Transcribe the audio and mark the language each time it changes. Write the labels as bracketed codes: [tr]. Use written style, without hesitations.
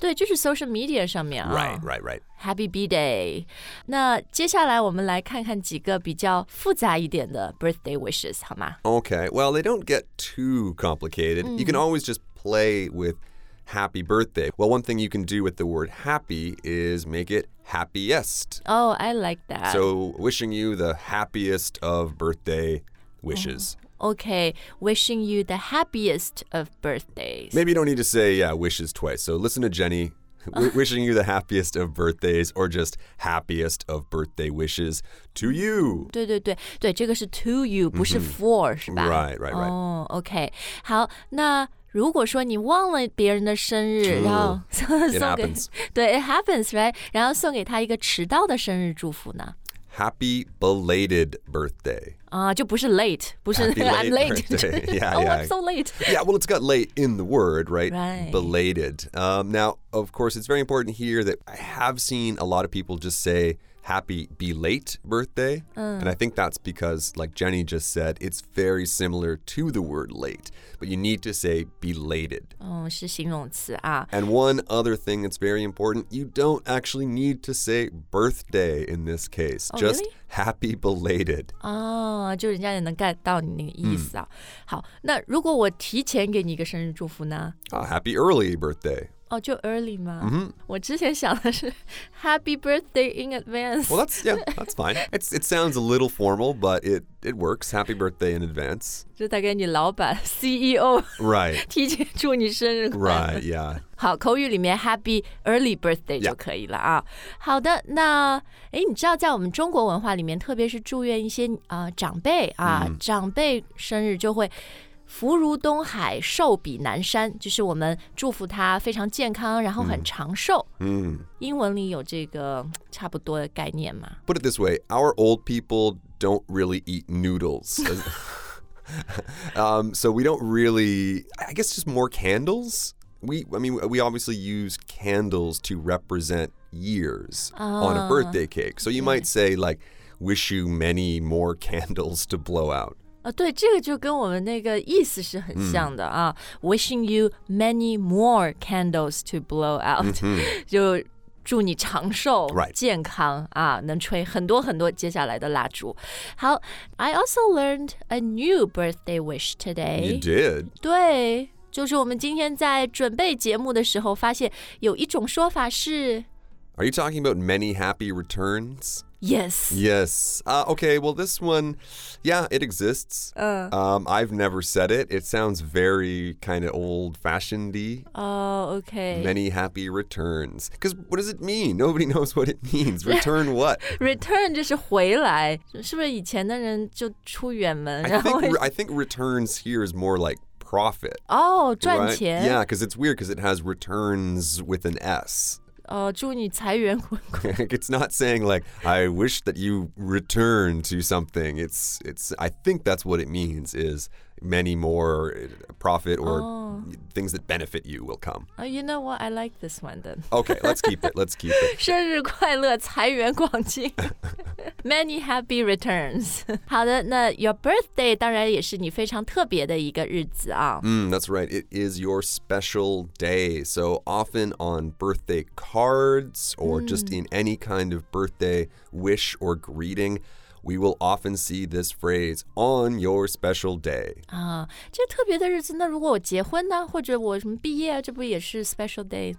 [zh] 对，就是 social media 上面啊。 [en] Right. Happy B-day. [zh] 那接下来我们来看看几个比较复杂一点的 birthday wishes, 好吗？ [en] Okay, well, they don't get too complicated. You can always just play with happy birthday. Well, one thing you can do with the word happy is make it happiest. Oh, I like that. So wishing you the happiest of birthday wishes. Okay, wishing you the happiest of birthdays. Maybe you don't need to say, yeah, wishes twice. So listen to Jenny. Wishing you the happiest of birthdays or just happiest of birthday wishes to you. [zh] 对对对对这个是 to you, 不是 for, 是吧 [en] Right. Oh, okay. [zh] 好那如果说你忘了别人的生日然后送给 [en] It happens. 对 it happens, right? [zh] 然后送给他一个迟到的生日祝福呢 [en] Happy belated birthday. [zh] 就不是 late, 不是 [en] late I'm late. Yeah. I'm so late. Yeah, well, it's got late in the word, right? Right. Belated. Now, of course, it's very important here that I have seen a lot of people just say happy belate birthday. And I think that's because, like Jenny just said, it's very similar to the word late. But you need to say belated. [zh] 是形容词啊。 [en] And one other thing that's very important, you don't actually need to say birthday in this case. Oh, just really? Happy belated. [zh] 就人家也能 get 到你那个意思啊。好，那如果我提前给你一个生日祝福呢？ [en] Happy early birthday. [zh] 就 early 吗？我之前想的是 [en] happy birthday in advance. Well, that's fine. It sounds a little formal, but it works. Happy birthday in advance. [zh] 就大概你老板 CEO. [en] Right. [zh] 提前祝你生日快乐。 [en] Right, yeah. [zh] 好，口语里面 [en] happy early birthday [zh] 就可以了啊。好的，那你知道在我们中国文化里面，特别是祝愿一些长辈啊，长辈生日就会福如东海，寿比南山，就是我们祝福他非常健康，然后很长寿。英文里有这个差不多的概念吗？ [en] Put it this way, our old people don't really eat noodles. so we don't really, I guess just more candles? We obviously use candles to represent years on a birthday cake. So you might say, like, wish you many more candles to blow out. [zh] 对，这个就跟我们那个意思是很像的啊。 [en] Wishing you many more candles to blow out. [zh] 就祝你长寿、 [en] right. [zh] 健康啊，能吹很多很多接下来的蜡烛。 [en] 好 ，I also learned a new birthday wish today. You did? [zh] 对。就是我们今天在准备节目的时候发现有一种说法是 [en] Are you talking about many happy returns? Yes. Yes. Okay, well this one, yeah, it exists. I've never said it. It sounds very kind of old-fashioned-y. Oh, okay. Many happy returns. Because what does it mean? Nobody knows what it means. Return what? [zh] Return 就是回来。是不是以前的人就出远门 [en] I think returns here is more like,Profit. [zh] Oh, 赚钱. [en] Right? Yeah, because it's weird because it has returns with an S. [zh] 祝你财源滚滚. [en] It's not saying like, I wish that you return to something. It's, I think that's what it means is many more profit or things that benefit you will come. You know what? I like this one then. Okay, let's keep it. [zh] 生日快乐，财源广进。 [en] Many happy returns. [zh] 好的，那 your birthday 当然也是你非常特别的一个日子啊。 [en] That's right. It is your special day. So often on birthday cards or just in any kind of birthday wish or greeting, we will often see this phrase, on your special day. [zh] 这特别的日子，那如果我结婚呢，或者我什么毕业，这不也是 special day?